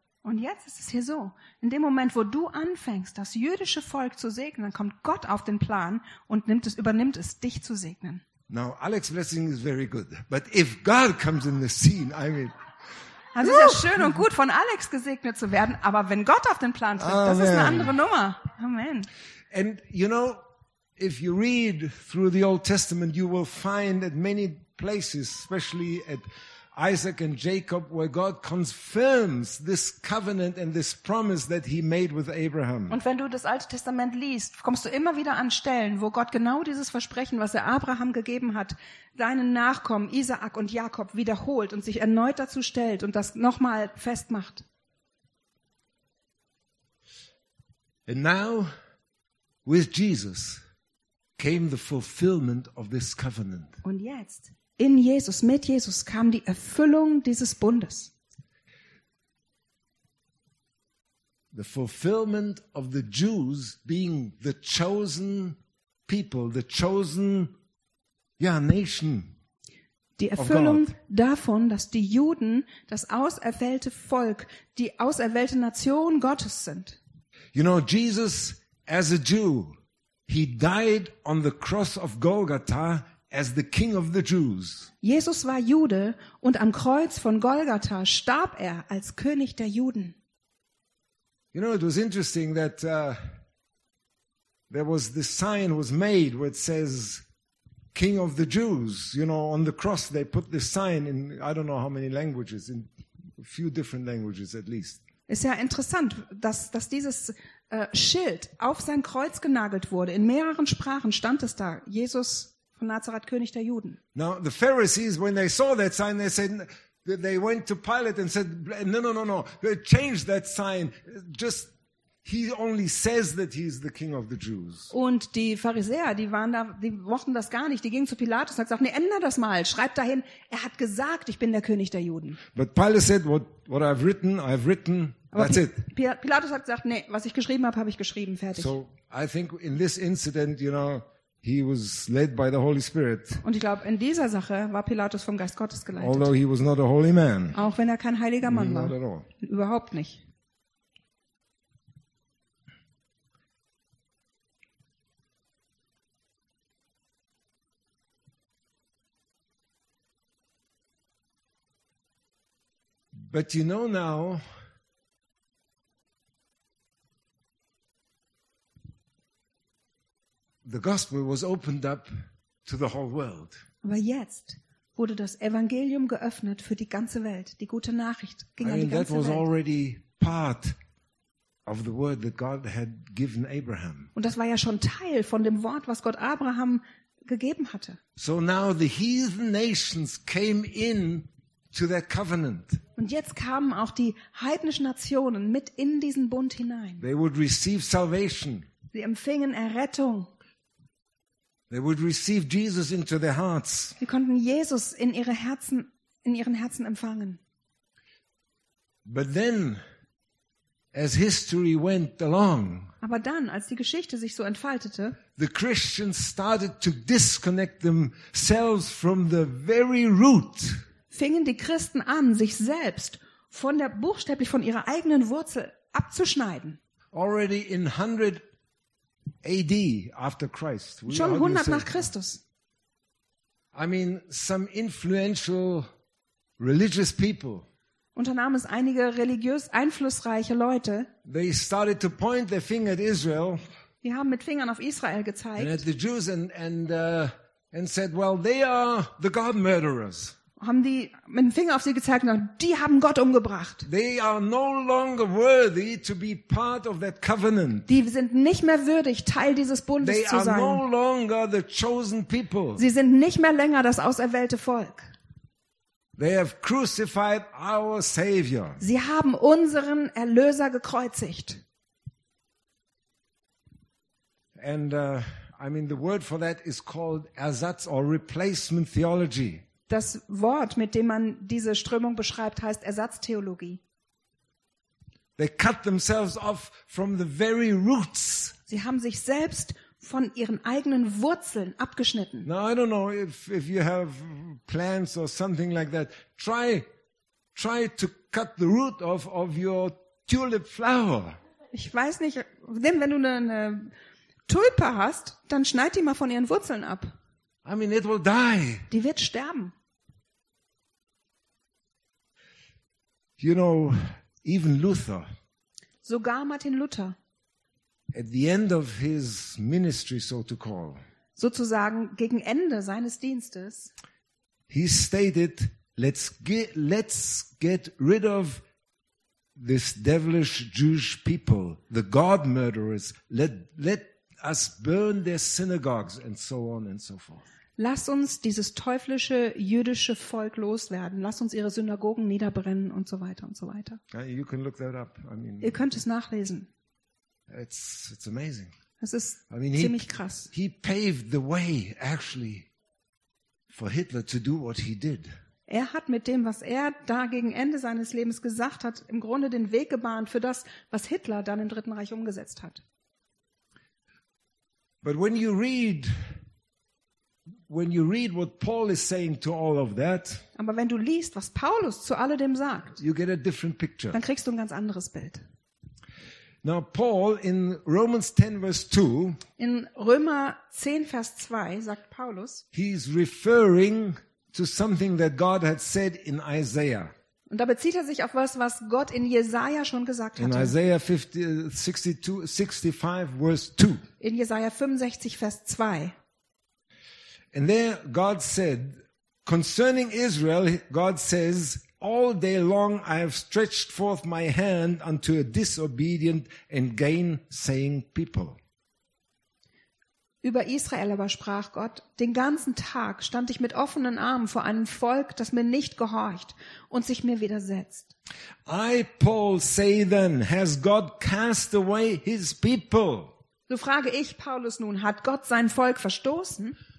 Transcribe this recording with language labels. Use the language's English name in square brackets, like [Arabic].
[German] Und jetzt ist es hier so, in dem Moment, wo du anfängst, das jüdische Volk zu segnen, dann kommt Gott auf den Plan und übernimmt es, dich zu segnen. [English] Now, Alex's blessing is very good, but if God comes in the scene, I mean... [German] Also es ist ja schön und gut, von Alex gesegnet zu werden, aber wenn Gott auf den Plan tritt, das ist eine andere Nummer. Amen. [English] And you know, if you read through the Old Testament, you will find at many places, especially at Isaac and Jacob, where God confirms this covenant and this promise that he made with Abraham. [German] Und wenn du das Alte Testament liest, kommst du immer wieder an Stellen, wo Gott genau dieses Versprechen, was er Abraham gegeben hat, seinen Nachkommen Isaak und Jakob wiederholt und sich erneut dazu stellt und das nochmal festmacht. [English] And now, with Jesus, came the fulfillment of this covenant. [German] Und jetzt in Jesus, mit Jesus, kam die Erfüllung dieses Bundes. [English] The fulfillment of the Jews being the chosen people, the chosen, yeah, nation. [German] Die Erfüllung davon, dass die Juden das auserwählte Volk, die auserwählte Nation Gottes sind. [English] You know, Jesus, as a Jew, he died on the cross of Golgotha as the King of the Jews. [German] Jesus war Jude und am Kreuz von Golgatha starb er als König der Juden. [English] You know, it was interesting that there was this sign was made where it says King of the Jews. You know, on the cross they put this sign in I don't know how many languages, in a few different languages at least. [German] Ist ja interessant, dass dieses Schild auf sein Kreuz genagelt wurde. In mehreren Sprachen stand es da, Jesus von Nazareth, König der Juden. [English] Now the Pharisees, when they saw that sign, they said, they went to Pilate and said, no, change that sign. Just he only says that he is the King of the Jews. [German] Und die Pharisäer, die waren da, die mochten das gar nicht. Die gingen zu Pilatus und sagten, nee, ändere das mal, schreib dahin, er hat gesagt, ich bin der König der Juden. [English] But Pilate said, what I've written. [German] Aber [English] that's it. [German] Pilatus hat gesagt, nee, was ich geschrieben habe, habe ich geschrieben, fertig. [English] So I think in this incident, you know, he was led by the Holy Spirit. [German] Und ich glaube, in dieser Sache war Pilatus vom Geist Gottes geleitet. [English] Although he was not a holy man. [German] Auch wenn er kein heiliger Mann war. [English] Not at all. [German] Überhaupt nicht. [English] But you know now, the gospel was opened up to the whole world. [German] Aber jetzt wurde das Evangelium geöffnet für die ganze Welt. Die gute Nachricht ging an die ganze Welt. [English] That was already part of the word that God had given Abraham. [German] Und das war ja schon Teil von dem Wort, was Gott Abraham gegeben hatte. [English] So now the heathen nations came in to that covenant. [German] Und jetzt kamen auch die heidnischen Nationen mit in diesen Bund hinein. [English] They would receive salvation. [German] Sie empfingen Errettung. [English] They would receive Jesus into their hearts. [German] Sie konnten Jesus in ihre Herzen, in ihren Herzen empfangen. [English] But then, as history went along, [German] aber dann, als die Geschichte sich so entfaltete, [English] the Christians started to disconnect themselves from the very root. [German] Fingen die Christen an, sich selbst von der buchstäblich von ihrer eigenen Wurzel abzuschneiden. [English] Already in 100 AD after Christ. [German] Schon 100 nach Christus. [English] I mean, some influential religious people. [German] Unternahmen es einige religiös einflussreiche Leute. [English] They started to point their finger at Israel. [German] Die haben mit Fingern auf Israel gezeigt. [English] And at the Jews and said, well, they are the God murderers. [German] Haben die mit dem Finger auf sie gezeigt und gesagt, die haben Gott umgebracht. [English] They are no longer worthy to be part of that covenant. [German] Die sind nicht mehr würdig, Teil dieses Bundes [English] they [German] zu sein. [English] They are no longer the chosen people. [German] Sie sind nicht mehr länger das auserwählte Volk. [English] They have crucified our Savior. [German] Sie haben unseren Erlöser gekreuzigt. [English] And I mean the word for that is called Ersatz or replacement theology. [German] Das Wort, mit dem man diese Strömung beschreibt, heißt Ersatztheologie. [English] They cut themselves off from the very roots. [German] Sie haben sich selbst von ihren eigenen Wurzeln abgeschnitten. [English] Now I don't know if you have plants or something like that. Try to cut the root off of your tulip flower. [German] Ich weiß nicht, denn wenn du eine Tulpe hast, dann schneid die mal von ihren Wurzeln ab. [English] I mean, it will die. [German] Die wird sterben. [English] You know, even Luther. [German] Sogar Martin Luther. [English] At the end of his ministry, so to call. [German] Sozusagen gegen Ende seines Dienstes. [English] He stated, "Let's get rid of this devilish Jewish people, the God murderers. Let us burn their synagogues and so on and so forth." [German] Lass uns dieses teuflische jüdische Volk loswerden. Lass uns ihre Synagogen niederbrennen und so weiter und so weiter. [English] You can look that up. I mean, [German] ihr könnt es nachlesen. [English] It's amazing. [German] Es ist ziemlich krass. [English] He paved the way actually for Hitler to do what he did. [German] Er hat mit dem, was er da gegen Ende seines Lebens gesagt hat, im Grunde den Weg gebahnt für das, was Hitler dann im Dritten Reich umgesetzt hat. [English] But when you read what Paul is saying to all of that, [German] aber wenn du liest, was Paulus zu alledem sagt, [English] you get a different picture. [German] Dann kriegst du ein ganz anderes Bild. [English] Now Paul in Romans 10 verse 2, [German] in Römer 10 Vers 2 sagt Paulus, [English] he's referring to something that God had said in Isaiah. [German] Und da bezieht er sich auf was, was Gott in Jesaja schon gesagt hatte. [English] In Isaiah 65 verse 2. [German] In Jesaja 65 Vers 2. [English] And there God said, concerning Israel, God says, all day long I have stretched forth my hand unto a disobedient and gainsaying people. [German] Über Israel aber sprach Gott, den ganzen Tag stand ich mit offenen Armen vor einem Volk, das mir nicht gehorcht und sich mir widersetzt. [English] I, Paul, say then, has God cast away his people? [German] So frage ich Paulus nun, hat Gott sein Volk verstoßen?